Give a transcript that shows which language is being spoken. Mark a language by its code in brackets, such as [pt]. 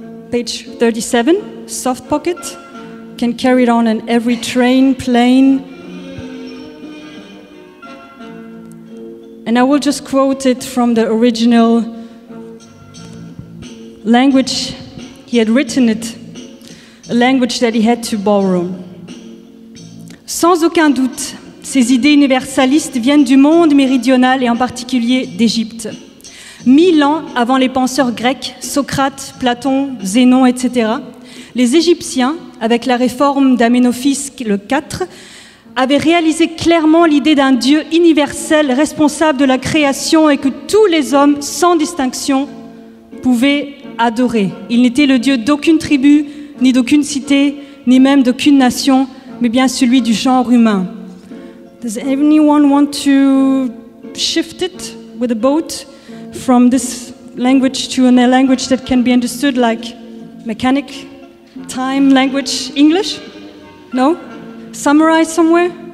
[en] Page 37, soft pocket. Can carry it on in every train, plane. And I will just quote it from the original language he had written it, a language that he had to borrow. [fr] Sans aucun doute, ces idées universalistes viennent du monde méridional et en particulier d'Égypte. 1000 ans avant les penseurs grecs, Socrate, Platon, Zénon, etc., les Égyptiens, avec la réforme d'Aménophis le IV, avait réalisé clairement l'idée d'un Dieu universel responsable de la création et que tous les hommes, sans distinction, pouvaient adorer. Il n'était le Dieu d'aucune tribu, ni d'aucune cité, ni même d'aucune nation, mais bien celui du genre humain. [en] Does anyone want to shift it with a boat from this language to another language that can be understood like mechanic, time language, English? No? Summarize somewhere?